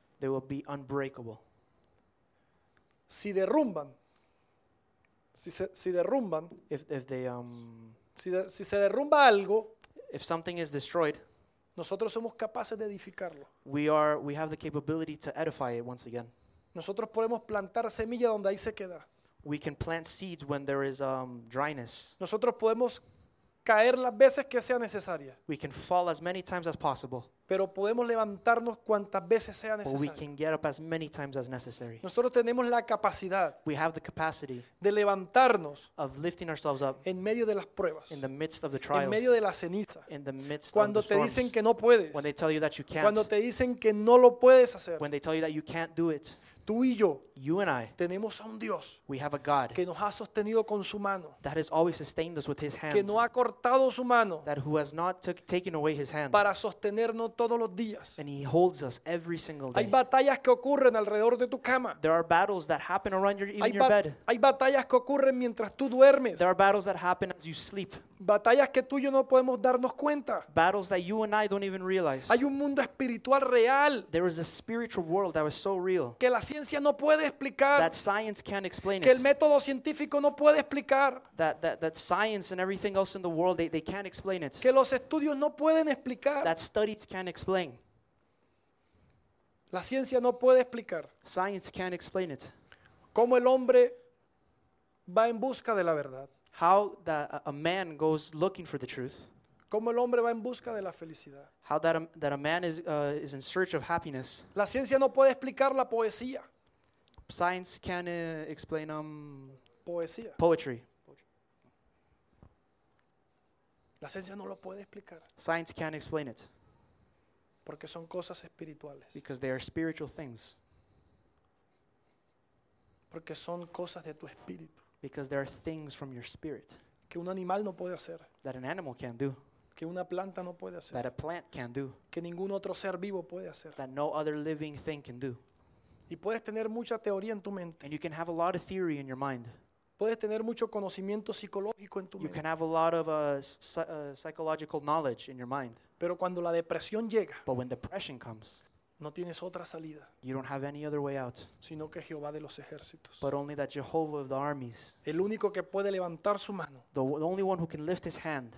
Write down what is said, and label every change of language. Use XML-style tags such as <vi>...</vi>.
<en>They will be unbreakable.</en> <es>Si se derrumba algo,</es> <en>if something is destroyed,</en> <es>nosotros somos capaces de edificarlo.</es> <en>We have the capability to edify it once again.</en> <es>Nosotros podemos plantar semilla donde ahí se queda.</es> <en>We can plant seeds when there is dryness.</en> <es>Nosotros podemos caer las veces que sea necesaria.</es> <en>We can fall as many times as possible.</en> <es>Pero podemos levantarnos cuantas veces sea necesario.</es> <en>But we can get up as many times as necessary.</en> <es>Nosotros tenemos la capacidad.</es> <en>We have the capacity.</en> <es>De levantarnos.</es> <en>Of lifting ourselves up.</en> <es>En medio de las pruebas.</es> <en>In the midst of the trials.</en> <es>En medio de la ceniza.</es> <en>In the midst of the storms.</en> <es>Cuando te dicen que no puedes.</es> <en>When they tell you that you can't.</en> <es>Cuando te dicen que no lo puedes hacer.</es> <en>When they tell you that you can't do it.</en> <es>Tú y yo,</es> <en>you and I,</en> <es>tenemos a un Dios,</es> <en>we have a God,</en> <es>que nos ha sostenido con su mano,</es> <en>that has always sustained us with His hand,</en> <es>que no ha cortado su mano,</es> <en>that who has not taken away His hand,</en> <es>para sostenernos todos los días,</es> <en>and He holds us every single day.</en> <es>Hay batallas que ocurren alrededor de tu cama.</es> <en>There are battles that happen around your bed.</en> <es>Hay batallas que ocurren mientras tú duermes.</es> <en>There are battles that happen as you sleep.</en> <es>Batallas que tú y yo no podemos darnos cuenta.</es> <en>Battles that you and I don't even realize.</en> <es>Hay un mundo espiritual real.</es> <en>There is a spiritual world that was so real.</en> <es>Que la ciencia no puede explicar.</es> <en>That science can't explain it.</en> <es>Que el método científico no puede explicar.</es> <en>That science and everything else in the world, they can't explain it.</en> <es>Que los estudios no pueden explicar.</es> <en>That studies can't explain.</en> <es>La ciencia no puede explicar.</es> <en>Science can't explain it.</en> <es>Cómo el hombre va en busca de la verdad.</es> <en>How that a man goes looking for the truth.</en> <es>Cómo el hombre va en busca de la felicidad.</es> <en>How that a man is in search of happiness.</en> <es>La ciencia no puede explicar la poesía.</es> <en>Science can't explain</en> <es>poesía.</es> <en>Poetry.</en> <es>La ciencia no lo puede explicar.</es> <en>Science can't explain it.</en> <es>Porque son cosas espirituales.</es> <en>Because they are spiritual things.</en> <es>Porque son cosas de tu espíritu.</es> <en>Because there are things from your spirit.</en> <es>Que un animal no puede hacer.</es> <en>That an animal can't do.</en> <es>Que una planta no puede hacer.</es> <en>That a plant can't do.</en> <es>Que ningún otro ser vivo puede hacer.</es> <en>That no other living thing can do.</en> <es>Y puedes tener mucha teoría en tu mente.</es> <en>And you can have a lot of theory in your mind.</en> <es>Puedes tener mucho conocimiento psicológico en tu mente.</es> <en>You can have a lot of psychological knowledge in your mind.</en> <es>Pero cuando la depresión llega,</es> <en>but when depression comes,</en> <es>no tienes otra salida,</es> <en>you don't have any other way out,</en> <es>sino que Jehová de los ejércitos,</es> <en>but only that Jehovah of the armies,</en> <es>el único que puede levantar su mano,</es> <en>the only one who can lift his hand,</en>